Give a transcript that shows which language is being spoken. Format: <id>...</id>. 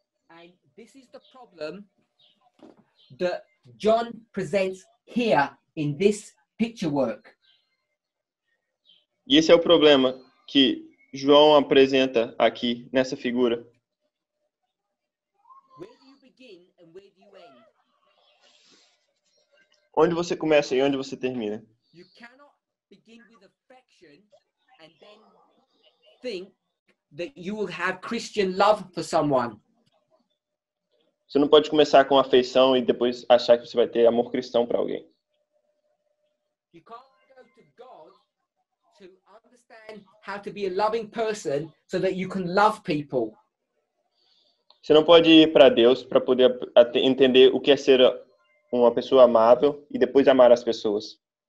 <en>And this is the problem that John presents here in this picture work.</en> <pt>E esse é o problema que João apresenta aqui nessa figura.</pt> <en>Where do you begin and where do you end?</en> <pt>Onde você começa e onde você termina?</pt> <en>You cannot begin with affection and then think that you will have Christian love for someone.</en> <pt>Você não pode começar com afeição e depois achar que você vai ter amor cristão para alguém.</pt> <en>You can't go to God to understand how to be a loving person so that you can love people.</en> <pt>Você não pode ir para Deus para poder entender o que é ser uma pessoa amável e depois amar as pessoas.</pt>